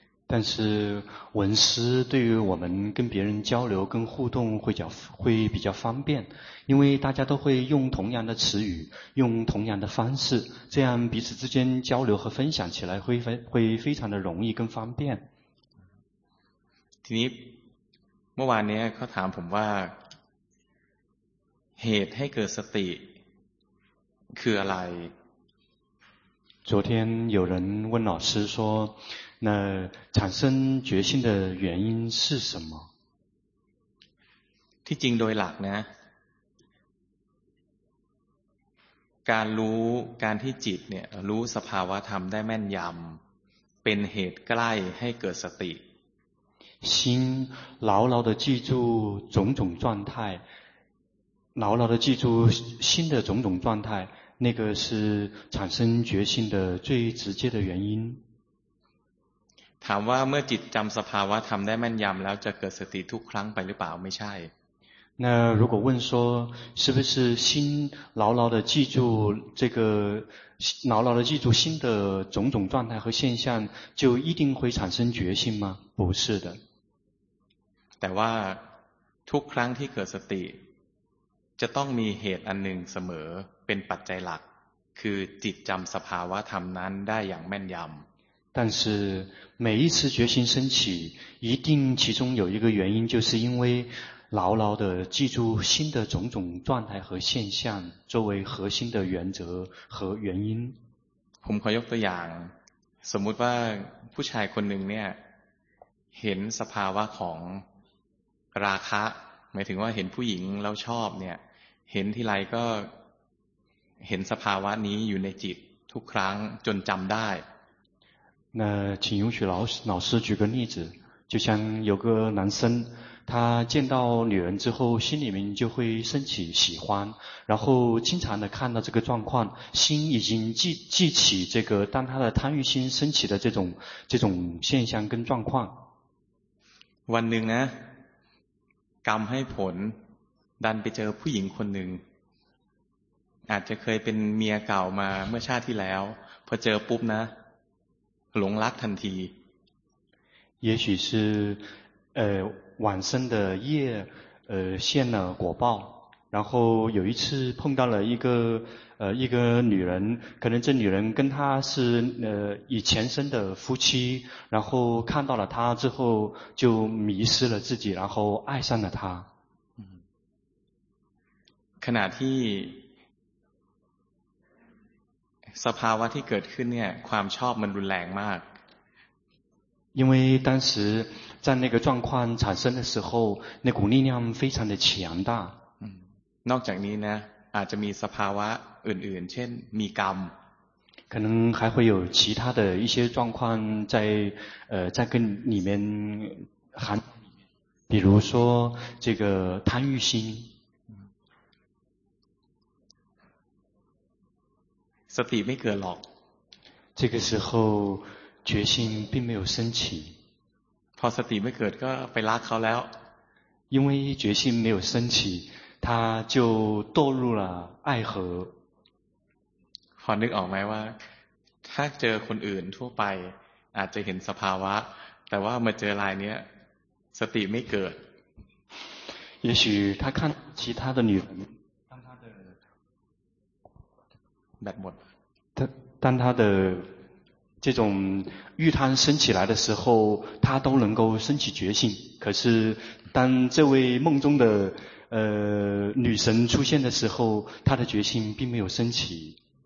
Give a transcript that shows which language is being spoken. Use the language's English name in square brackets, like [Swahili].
[Chinese] 但是文思对于我们跟别人交流跟互动会比较方便因为大家都会用同样的词语用同样的方式这样彼此之间交流和分享起来会非常的容易跟方便 [Thai] ทีนี้เมื่อวานเนี้ยเขาถามผมว่าเหตุให้เกิดสติคืออะไร [Chinese] 昨天有人问老师说那产生决心的原因是什么 [Thai] ที่จริงโดยหลักนะการรู้การที่จิตเนี่ยรู้สภาวะธรรมได้แม่นยำเป็นเหตุใกล้ให้เกิดสติ [Chinese] 心牢牢地记住种种状态牢牢地记住心的种种状态那个是产生决心的最直接的原因 [Thai] ถามว่าเมื่อจิตจำสภาวะธรรมได้แม่นยำแล้วจะเกิดสติทุกครั้งไปหรือเปล่าไม่ใช่ [Chinese] 那如果问说是不是心牢牢地记住这个牢牢地记住心的种种状态和现象就一定会产生决心吗不是的 [Thai] แต่ว่าทุกครั้งที่เกิดสติจะต้องมีเหตุอันหนึ่งเสมอเป็นปัจจัยหลักคือจิตจำสภาวะธรรมนั้นได้อย่างแม่นยำ [Chinese] 但是每一次决心升起一定其中有一个原因就是因为牢牢地记住心的种种状态和现象作为核心的原则和原因 [Thai] ผมขอยกตัวอย่างสมมุติว่าผู้ชายคนหนึ่งเนี่ยเห็นสภาวะของราคะหมายถึงว่าเห็นผู้หญิงแล้วชอบเนี่ยเห็นทีไรก็เห็นสภาวะนี้อยู่ในจิตทุกครั้งจนจำได้ [Chinese] 那请允许老师举个例子就像有个男生，他见到女人之后，心里面就会升起喜欢，然后经常的看到这个状况，心已经记起这个，当他的贪欲心升起的这种现象跟状况。 [Thai] วันหนึ่งนะ，กรรมให้ผล，ดันไปเจอผู้หญิงคนหนึ่ง，อาจจะเคยเป็นเมียเก่ามาเมื่อชาติที่แล้ว，พอเจอปุ๊บนะ，หลงรักทันที。 [Chinese] 也许是，往生的业，现了果报。然后有一次碰到了一个女人，可能这女人跟他是以前生的夫妻。然后看到了她之后，就迷失了自己，然后爱上了她。 [Thai] ขณะที่สภาวะที่เกิดขึ้นเนี่ยความชอบมันรุนแรงมาก。 [Chinese] 因为当时在那个状况产生的时候，那股力量非常的强大。 [Thai] นอกจากนี้นะ，อาจจะมีสภาวะอื่นๆเช่นมีกรรม。 [Chinese] 可能还会有其他的一些状况在在跟里面含，比如说这个贪欲心。 [Thai] สติไม่เกิดหรอก。 [Chinese] 这个时候。决心并没有升起， [Thai] พอสติไม่เกิดก็ไปรักเขาแล้ว， [Chinese] 因为决心没有升起，他就堕入了爱河。 [Thai] พอนึกออกไหมว่าถ้าเจอคนอื่นทั่วไปอาจจะเห็นสภาวะแต่ว่ามาเจอรายเนี้ยสติไม่เกิด。 [Chinese] 也许他看其他的女人，当他的 [Thai] แบตหมด， [Chinese] 当他的这种欲贪升起来的时候，他都能够升起决心。可是，当这位梦中的女神出现的时候，他的决心并没有升起。